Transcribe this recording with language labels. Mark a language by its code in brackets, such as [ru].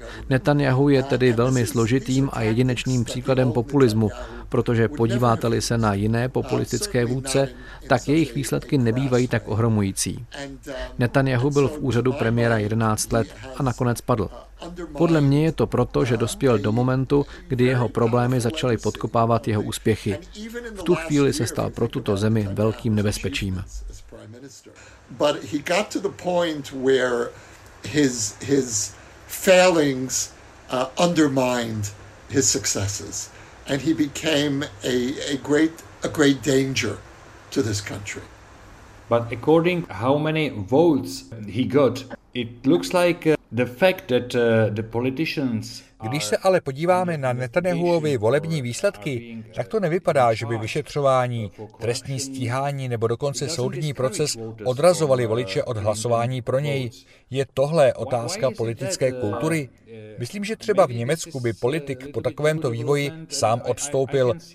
[cs] Netanyahu je tedy velmi složitým a jedinečným příkladem populismu, protože podíváte-li se na jiné populistické vůdce, tak jejich výsledky nebývají tak ohromující. Netanyahu byl v úřadu premiéra 11 let a nakonec padl. Podle mě je to proto, že dospěl do momentu, kdy jeho problémy začaly podkopávat jeho úspěchy. V tu chvíli se stal pro tuto zemi velkým nebezpečím. [en] But he got to the point where his failings undermined his successes, and he became a great danger to this country. But according how many votes he got, it looks like the fact that the politicians. [cs] Když se ale podíváme na Netanyahuovy volební výsledky, tak to nevypadá, že by vyšetřování, trestní stíhání nebo dokonce soudní proces odrazovali voliče od hlasování pro něj. Je tohle otázka politické kultury? Myslím, že třeba v Německu by politik po takovémto vývoji sám odstoupil.